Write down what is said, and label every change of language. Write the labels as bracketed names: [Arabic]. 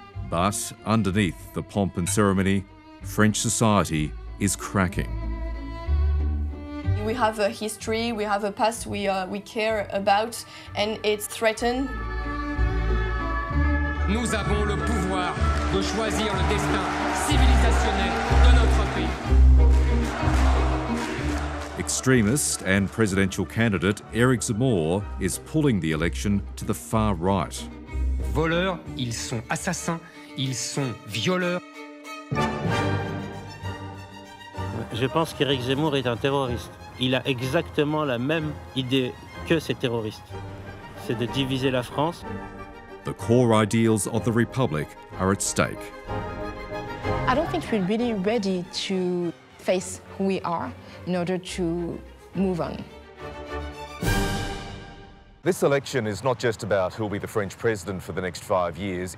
[English] But underneath the pomp and ceremony, French society is cracking. We have a history, we have a past we care about, and it's threatened. [French] Nous avons le pouvoir de choisir le destin civilisationnel de notre pays. [English] Extremist and presidential candidate Eric Zemmour is pulling the election to the far right. [French] Voleurs, ils sont assassins, ils sont violeurs. Je pense qu'Eric Zemmour est un terroriste. Il a exactement la même idée que ces terroristes. C'est de diviser la France. [English] The core ideals of the Republic are at stake. I don't think we're really ready to face who we are in order to move on. This election is not just about who'll be the French president for the next 5 years.